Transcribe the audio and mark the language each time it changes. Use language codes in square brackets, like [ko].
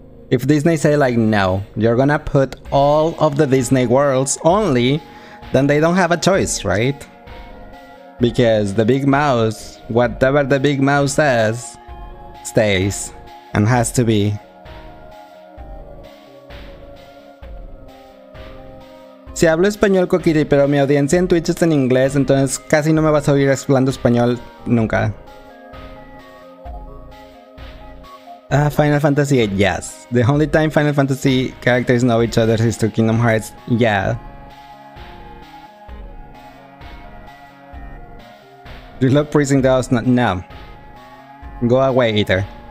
[en] If Disney say like, no, you're gonna put all of the Disney worlds only, then they don't have a choice, right? Because the big mouse, whatever the big mouse says, stays and has to be. [es] Si hablo español, Coquiri, pero mi audiencia en Twitch está en inglés, entonces casi no me vas a oír hablando español nunca. [en] Final Fantasy VIII, yes. The only time Final Fantasy characters know each other is through Kingdom Hearts, yeah. Do you love Prison Girls? No. Go away, Eater.